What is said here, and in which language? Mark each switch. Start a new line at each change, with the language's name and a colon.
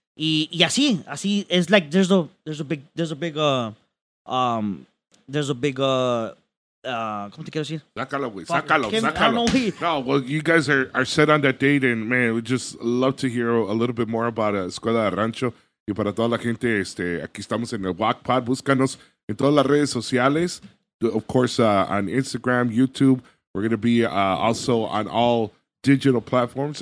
Spanish: Y así it's like ¿cómo te quiero decir? Sácalo, güey. Sácalo.
English: No, well, you guys are set on that date, and man, we just love to hear a little bit more about Escuela de Rancho.
Spanish: Y para toda la gente, aquí estamos en el Wack Pod. Búscanos en todas las redes sociales, of course, on Instagram, YouTube.
English: We're going to be also on all digital platforms.